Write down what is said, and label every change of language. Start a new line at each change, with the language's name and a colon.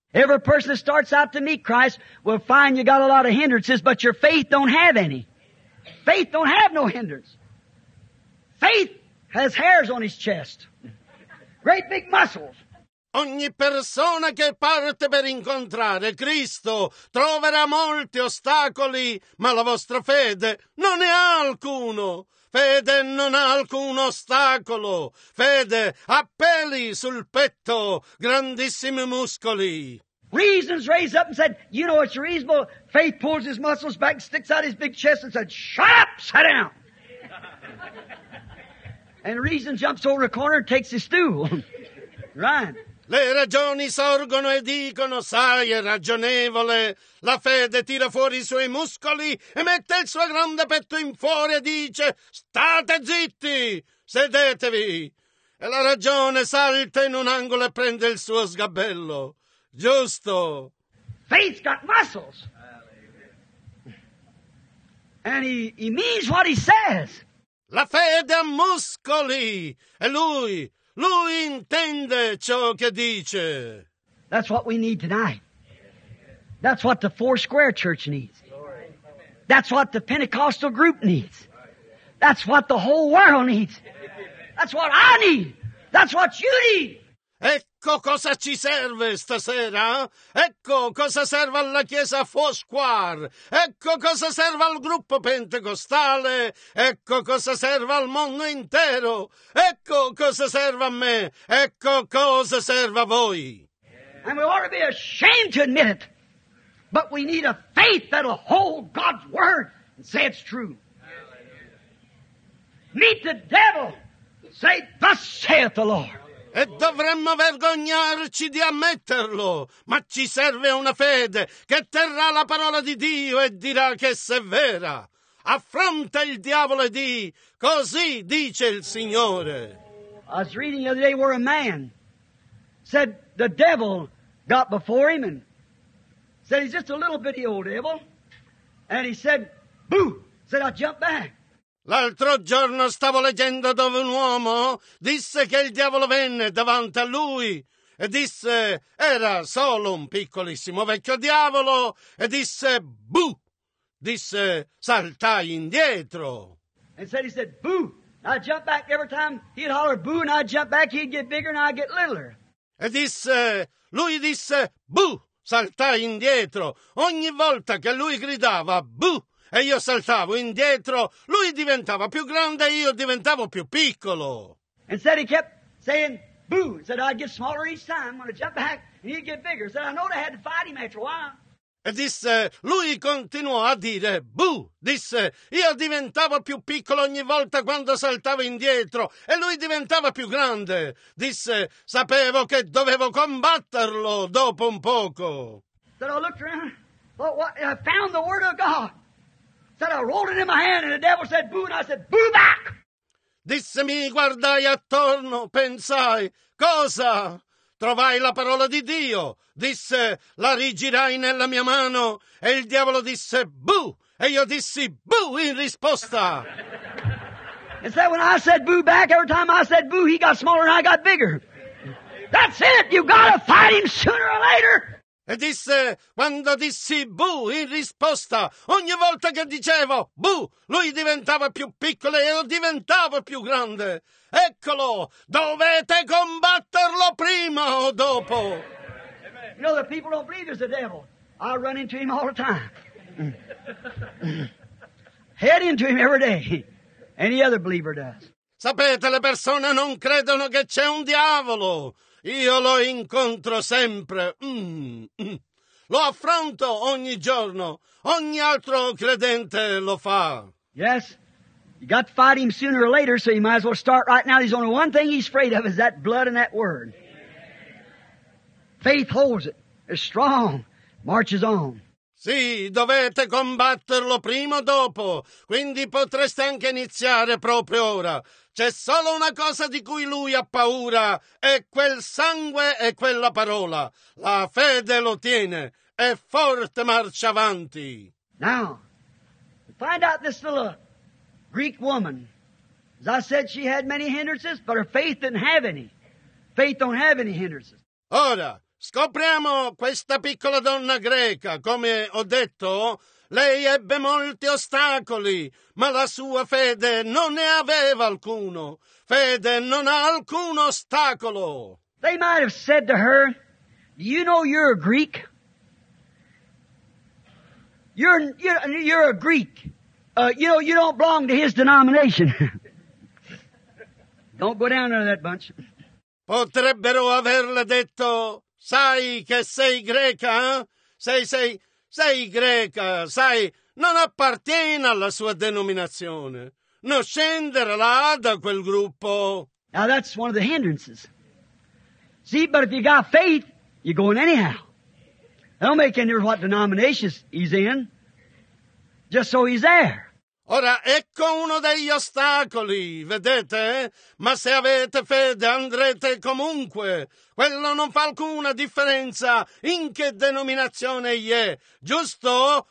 English: Every person that starts out to meet Christ will find you got a lot of hindrances, but your faith don't have any. Faith don't have no hindrance. Faith has hairs on his chest. Great big muscles.
Italian: Ogni persona che parte per incontrare Cristo troverà molti ostacoli, ma la vostra fede non ne ha alcuno. Fede non ha alcun ostacolo. Fede ha peli sul petto, grandissimi muscoli.
English: Reasons raised up and said, you know, it's reasonable. Faith pulls his muscles back, sticks out his big chest and said, shut up, sit down. And reason jumps over the corner and takes his stool. Right.
Italian: Le ragioni sorgono e dicono, sai, è ragionevole. La fede tira fuori i suoi muscoli e mette il suo grande petto in fuori e dice, state zitti, sedetevi. E la ragione salta in un angolo e prende il suo sgabello. Giusto.
English: Faith's got muscles. And he means what he says.
Italian: La fede ha muscoli. E lui intende ciò che dice.
English: That's what we need tonight. That's what the Four Square Church needs. That's what the Pentecostal group needs. That's what the whole world needs. That's what I need. That's what you need.
Italian: Ecco cosa ci serve stasera. Ecco cosa serve alla Chiesa Four Square. Ecco cosa serve al gruppo pentecostale. Ecco cosa serve al mondo intero. Ecco cosa serve a me. Ecco cosa serve a voi.
English: And we ought to be ashamed to admit it. But we need a faith that'll hold God's word and say it's true. Meet the devil. Say, thus saith the Lord.
Italian: E dovremmo vergognarci di ammetterlo, ma ci serve una fede che terrà la parola di Dio e dirà che se è vera. Affronta il diavolo e di, così dice il Signore.
English: I was reading the other day where a man said the devil got before him and said he's just a little bitty old devil. And he said, boo, said I'll jump back.
Italian: L'altro giorno stavo leggendo dove un uomo disse che il diavolo venne davanti a lui e disse, era solo un piccolissimo vecchio diavolo, e disse, bu, disse, saltai indietro.
English: And said, bu, I jump back every time he'd holler bu and I jump back, he'd get bigger and I'd get littler.
Italian: E disse, lui disse, bu, saltai indietro, ogni volta che lui gridava, bu. E io saltavo indietro, lui diventava più grande e io diventavo più piccolo.
English: And said he kept saying, Boo! He said, I'd get smaller each time. I'm going to jump back and he'd get bigger. He said, I know they had to fight him after a while.
Italian: E disse, lui continuò a dire, buh, disse, io diventavo più piccolo ogni volta quando saltavo indietro, e lui diventava più grande, disse, sapevo che dovevo combatterlo dopo un poco.
English: Said, I looked around, what, I found the word of God. Said, I rolled it in my hand, and the devil said, buh, and I said, buh back.
Italian: Disse, mi guardai attorno, pensai, cosa? Trovai la parola di Dio, disse, la rigirai nella mia mano, e il diavolo disse, buh, e io dissi, buh, in risposta.
English: And so when I said boo back, every time I said boo, he got smaller and I got bigger. That's it, you gotta fight him sooner or later.
Italian: E disse, quando dissi buh in risposta, ogni volta che dicevo buh, lui diventava più piccolo e io diventavo più grande. Eccolo, dovete combatterlo prima o dopo.
English: You know, the people don't believe there's a devil. I run into him all the time. Head into him every day. Any other believer does.
Italian: Sapete, le persone non credono che c'è un diavolo. Io lo incontro sempre, lo affronto ogni giorno, ogni altro credente lo fa.
English: Yes, you got to fight him sooner or later, so you might as well start right now. There's only one thing he's afraid of, is that blood and that word. Faith holds it, it's strong, marches on.
Italian: Sì, dovete combatterlo prima o dopo, quindi potreste anche iniziare proprio ora. C'è solo una cosa di cui lui ha paura, è quel sangue e quella parola. La fede lo tiene, è forte, marcia avanti.
English: Now, find out this little Greek woman. As I said, she had many hindrances, but her faith didn't have any. Faith don't have any hindrances.
Italian: Ora, scopriamo questa piccola donna greca. Come ho detto, lei ebbe molti ostacoli, ma la sua fede non ne aveva alcuno. Fede non ha alcun ostacolo.
English: They might have said to her, do you know you're a Greek? You're a Greek. You don't belong to his denomination. Don't go down under that bunch.
Italian: Potrebbero averle detto, sai che sei greca? Sei greca, sai, non appartiene alla sua denominazione. Non scendere là da quel gruppo.
English: Now that's one of the hindrances. See, but if you got faith, you're going anyhow. Don't make any difference what denominations he's in. Just so he's there.
Italian: Ora, ecco uno degli ostacoli, vedete? Ma se avete fede, andrete comunque. Quello non fa alcuna differenza in che denominazione egli è, giusto?